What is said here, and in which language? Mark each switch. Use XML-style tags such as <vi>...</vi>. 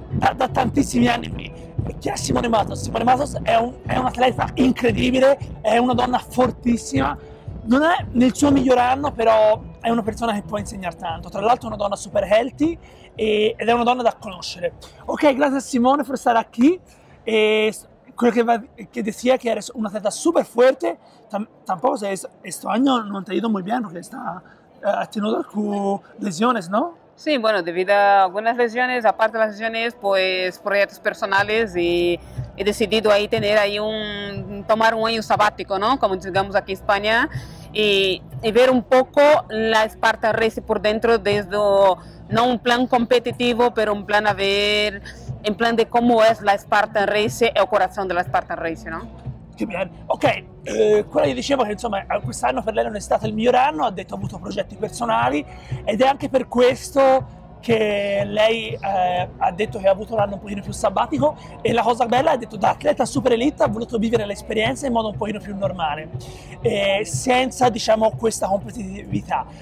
<it>Da tantissimi anni qui. Chi è Simone Matos? Simone Matos è un atleta incredibile, è una donna fortissima. Non è nel suo miglior anno, però è una persona che può insegnare tanto. Tra l'altro è una donna</it> <en>super healthy</en> <it>ed è una donna da conoscere. Ok, grazie a Simone per stare qui. E quello che</it> <es>decía que eres una atleta super fuerte, tampoco sé, este año no te ha ido muy bien porque ha tenido algunas lesiones, ¿no? Sí, bueno, debido a algunas lesiones, aparte de las lesiones, pues proyectos personales y he decidido ahí tener ahí tomar un año sabático, ¿no? Como digamos aquí en España, y ver un poco la Spartan Race por dentro, desde no un plan competitivo, pero un plan a ver. En plan de cómo es la Spartan Race y el corazón de la Spartan Race, ¿no? Qué bien.</es> <it>Ok, quello che dicevo che insomma quest'anno per lei non è stato il miglior anno, ha detto ha avuto progetti personali ed è anche per questo che lei ha detto che ha avuto l'anno un pochino più sabbatico e la cosa bella ha detto da atleta super elite ha voluto vivere l'esperienza in modo un pochino più normale, senza diciamo questa competitività.</it>